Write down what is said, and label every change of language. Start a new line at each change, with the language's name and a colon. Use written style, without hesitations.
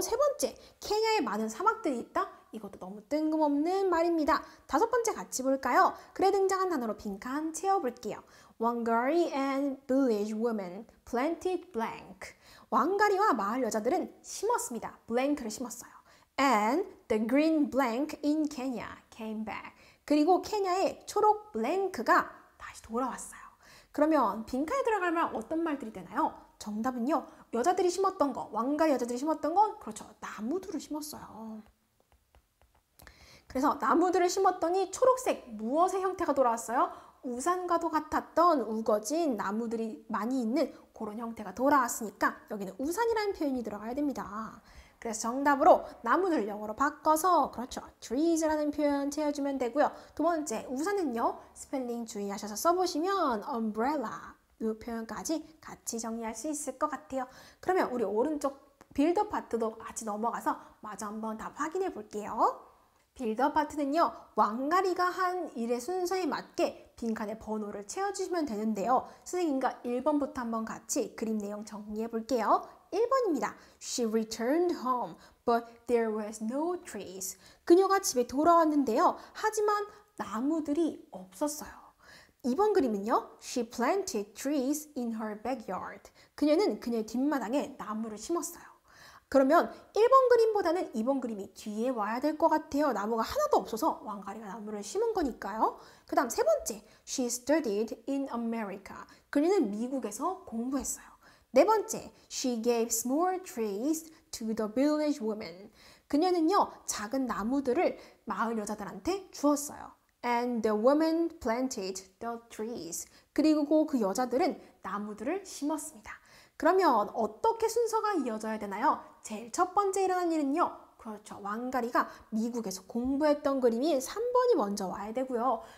Korean: 세 번째, 케냐에 많은 사막들이 있다. 이것도 너무 뜬금없는 말입니다. 다섯 번째 같이 볼까요? 글에 등장한 단어로 빈칸 채워볼게요.
English: Wangari and village woman planted blank.
Korean: 왕가리와 마을 여자들은 심었습니다. blank를 심었어요.
English: And the green blank in Kenya came back.
Korean: 그리고 케냐의 초록 blank가 다시 돌아왔어요. 그러면 빈칸에 들어갈 말 어떤 말들이 되나요? 정답은요. 여자들이 심었던 거, 왕가리 여자들이 심었던 건 그렇죠. 나무들을 심었어요. 그래서 나무들을 심었더니 초록색 무엇의 형태가 돌아왔어요? 우산과도 같았던 우거진 나무들이 많이 있는 그런 형태가 돌아왔으니까 여기는 우산이라는 표현이 들어가야 됩니다. 그래서 정답으로 나무를 영어로 바꿔서 그렇죠. trees라는 표현 채워주면 되고요. 두 번째 우산은요. 스펠링 주의하셔서 써보시면 umbrella 이 표현까지 같이 정리할 수 있을 것 같아요. 그러면 우리 오른쪽 빌더 파트도 같이 넘어가서 마저 한번 다 확인해 볼게요. 빌더 파트는요. 왕가리가 한 일의 순서에 맞게 빈칸에 번호를 채워주시면 되는데요. 선생님과 1번부터 한번 같이 그림 내용 정리해 볼게요. 1번입니다.
English: She returned home, but there was no trees.
Korean: 그녀가 집에 돌아왔는데요. 하지만 나무들이 없었어요. 2번 그림은요.
English: She planted trees in her backyard.
Korean: 그녀는 그녀의 뒷마당에 나무를 심었어요. 그러면 1번 그림보다는 2번 그림이 뒤에 와야 될 것 같아요. 나무가 하나도 없어서 왕가리가 나무를 심은 거니까요. 그 다음 세 번째.
English: She studied in America.
Korean: 그녀는 미국에서 공부했어요. 네 번째,
English: she gave small trees to the village woman.
Korean: 그녀는요, 작은 나무들을 마을 여자들한테 주었어요.
English: And the woman planted the trees.
Korean: 그리고 그 여자들은 나무들을 심었습니다. 그러면 어떻게 순서가 이어져야 되나요? 제일 첫 번째 일어난 일은요, 그렇죠. 왕가리가 미국에서 공부했던 그림이 3번이 먼저 와야 되고요.